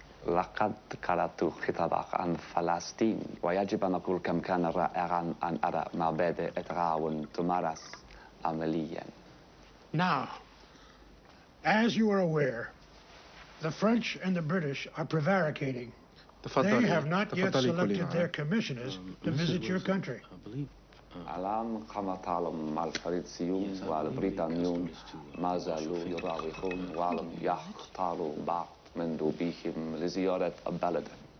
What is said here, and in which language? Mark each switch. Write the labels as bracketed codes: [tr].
[ar] لقد قرأت كتابك عن فلسطين ويجب أن أقول كم كان رائعا أن أرى مبادئ التعاون تمارس عمليا. [en] Now, as you are aware, the French and the British are prevaricating. They have not yet selected their commissioners to visit your country. [ar] الآن كما تعلم الفرنسيون والبريطانيون ما زالوا يراوغون ولم يختاروا بعض مندوبيهم لزيارة بلدهم.